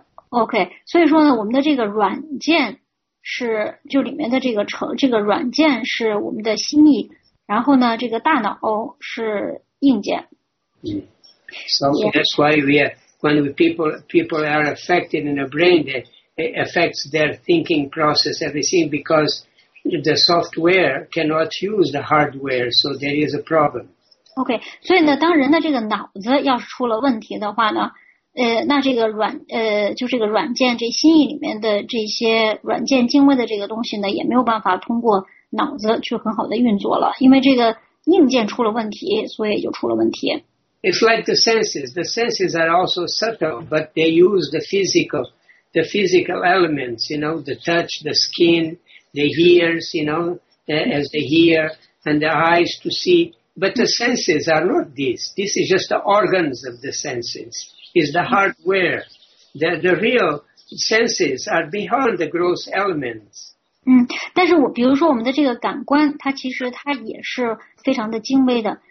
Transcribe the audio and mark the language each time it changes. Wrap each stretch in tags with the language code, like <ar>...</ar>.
<en>Okay.</en> <zh>所以说呢，我们的这个软件是就里面的这个软件是我们的心意，然后呢，这个大脑是硬件。</zh> <en>So that's why when people are affected in the brain, it affects their thinking process, everything, because the software cannot use the hardware, so there is a problem.</en> <zh>Okay, 所以呢，当人的这个脑子要是出了问题的话呢，那这个就这个软件，这心意里面的这些软件精微的这个东西呢，也没有办法通过脑子去很好的运作了，因为这个硬件出了问题，所以就出了问题。</zh> <en>It's like the senses. The senses are also subtle, but they use the physical elements, you know, the touch, the skin, the ears, you know, as they hear, and the eyes to see. But the senses are not this. This is just the organs of the senses. It's the hardware. The real senses are beyond the gross elements.</en> <zh>但是比如说我们的这个感官，它其实它也是非常的精微的。</zh>